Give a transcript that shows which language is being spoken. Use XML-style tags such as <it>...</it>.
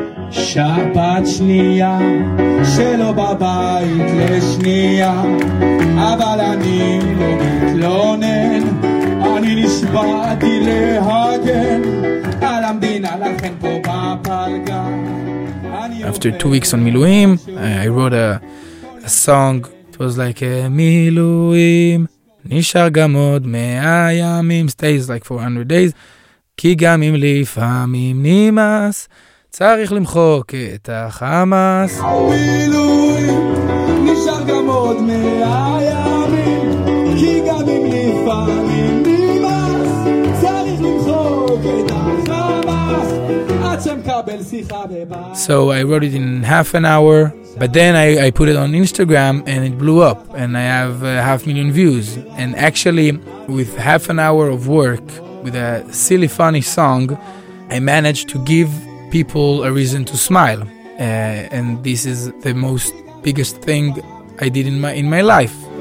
<he>שבת שנייה שלא בבית לשנייה, אבל אני לא מתלונן, אני נשבעתי להגן על המדינה, לכן פה בפלגן.</he> <en>After 2 weeks on מילואים, I wrote a song. It was like a</en> <he>מילואים נשאר גם עוד 100 ימים,</he> <en>stays like 400 days.</en> <he>כי גם אם לפעמים נמאס, צריך למחוק את החמאס. מילואים, נשאר גם עוד 100 ימים, כי גם אם לפעמים נמאס, צריך למחוק את החמאס, עד שמקבל שיחה בבית.</he> <en>So I wrote it in half an hour, but then I put it on Instagram and it blew up, and I have 500,000 views. And actually, with half an hour of work, with a silly funny song, I managed to give people a reason to smile, and this is the most biggest thing I did in my life.</en>